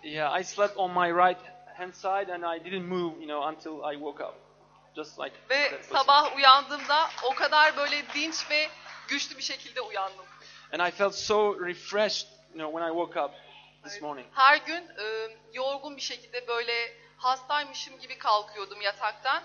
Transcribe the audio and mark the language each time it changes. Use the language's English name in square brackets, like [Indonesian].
[English] Yeah, I slept on my right hand side and I didn't move, you know, until I woke up. Just like [Turkish] ve sabah uyandığımda o kadar böyle dinç ve güçlü bir şekilde uyandım. [English] And I felt so refreshed, you know, when I woke up this morning. [Turkish] Her gün yorgun bir şekilde böyle hastaymışım gibi kalkıyordum yataktan.